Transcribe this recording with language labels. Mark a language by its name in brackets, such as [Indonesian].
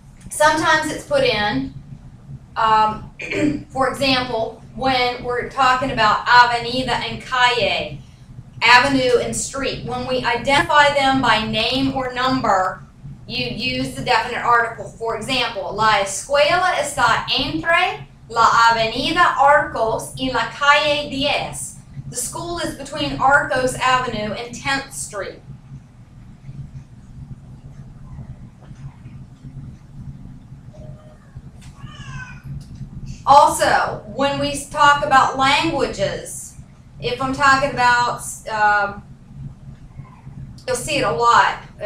[English] Sometimes it's put in, for example, when we're talking about avenida and calle, avenue and street. When we identify them by name or number, you use the definite article. For example, [Spanish] la escuela está entre la avenida Arcos y la calle 10. [English] The school is between Arcos Avenue and 10th Street. Also, when we talk about languages, if I'm talking about, you'll see it a lot.